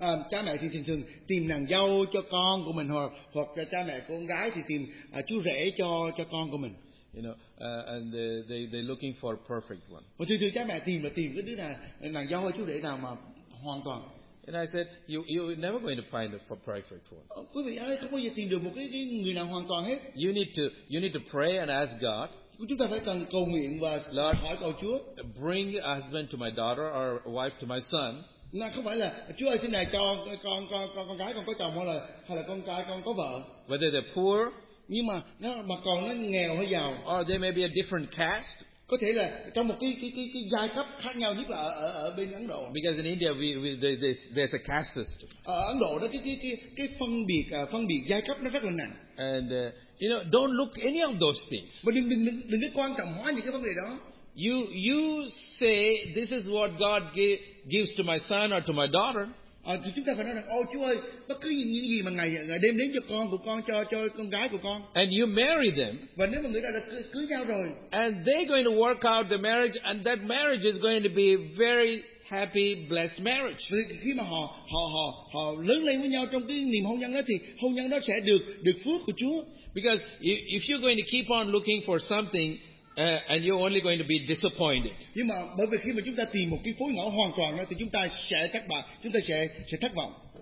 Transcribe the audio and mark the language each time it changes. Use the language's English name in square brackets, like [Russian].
[Vietnamese] Cha mẹ thì thường tìm nàng dâu cho con của mình hoặc cha mẹ của con gái thì tìm chú rể cho con của mình. [English] You know, and they looking for a perfect one. [Vietnamese] Và thường cha mẹ tìm cái đứa nào nàng dâu hay chú rể nào mà hoàn toàn. [English] And I said, you never going to find a perfect one. [Vietnamese] Quý vị ơi, không bao giờ tìm được một cái người nào hoàn toàn hết. [English] You need to pray and ask God. [Vietnamese] Chúng ta phải cần cầu nguyện và [English] Lord, [Vietnamese] hỏi cầu Chúa. [English] Bring a husband to my daughter or a wife to my son. [Vietnamese] Nó không phải là Chúa ơi, xin này cho con gái con có chồng hay là con trai con có vợ. [English] Whether they're poor. [Vietnamese] Nhưng mà nó nghèo hay giàu. [English] Or they may be a different caste. [Vietnamese] Có thể là trong một cái giai cấp khác nhau, nhất là ở bên Ấn Độ. [English] Because in India we there's a caste system. [Vietnamese] Ở Ấn Độ đó cái phân biệt giai cấp nó rất là nặng. [English] And you know, don't look any of those things. [Vietnamese] Mà đừng có quan trọng hóa những cái vấn đề đó. [English] You say this is what God gives to my son or to my daughter. [Vietnamese] Thì chúng ta phải nói rằng, ô Chúa ơi, bất cứ những gì mà ngài đem đến cho con của con, cho con gái của con. [English] And you marry them. [Vietnamese] Và nếu mà người ta đã cưới nhau rồi. [English] And they're going to work out the marriage, and that marriage is going to be very happy, blessed marriage. [Vietnamese] Khi mà họ lớn lên với nhau trong cái niềm hôn nhân đó thì hôn nhân đó sẽ được phước của Chúa. [English] Because if you're going to keep on looking for something, and you're only going to be disappointed. [Vietnamese] Nhưng mà bởi vì khi mà chúng ta tìm một cái phối ngẫu hoàn toàn đó, thì chúng ta sẽ thất bại, chúng ta sẽ thất vọng.